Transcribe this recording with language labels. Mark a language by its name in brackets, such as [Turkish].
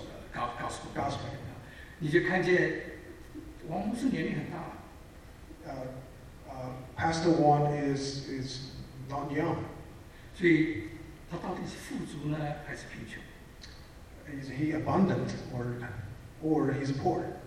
[Chinese] 布道会,说的gospel。你就看见王牧师年龄很大了。 [English] Pastor Wong is not young. [Chinese] 所以他到底是富足呢,还是贫穷? [English] Is he abundant or he's poor?